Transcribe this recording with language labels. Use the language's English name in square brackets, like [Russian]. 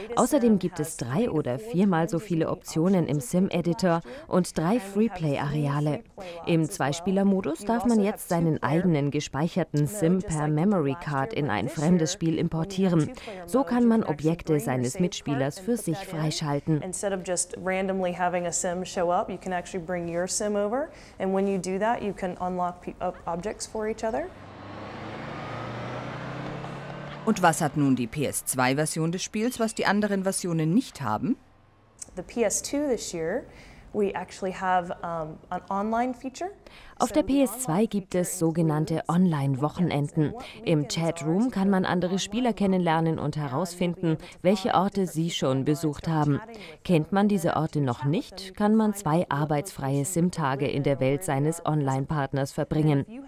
[German] Außerdem gibt es 3 oder 4-mal so viele Optionen im Sim-Editor und 3 Freeplay-Areale. Im Zweispieler-Modus darf man jetzt seinen eigenen gespeicherten Sim per Memory Card in ein fremdes Spiel importieren. So kann man Objekte seines Mitspielers für sich freischalten. [English] Instead of just randomly having a Sim show up, you can actually bring your Sim over. And when you do that, you can unlock for each other. [German] Und was hat nun die PS2-Version des Spiels, was die anderen Versionen nicht haben? [English] The PS2 this year, we actually have an online feature. [German] Auf der PS2 gibt es sogenannte Online-Wochenenden. Im Chatroom kann man andere Spieler kennenlernen und herausfinden, welche Orte sie schon besucht haben. Kennt man diese Orte noch nicht, kann man 2 arbeitsfreie Sim-Tage in der Welt seines Online-Partners verbringen.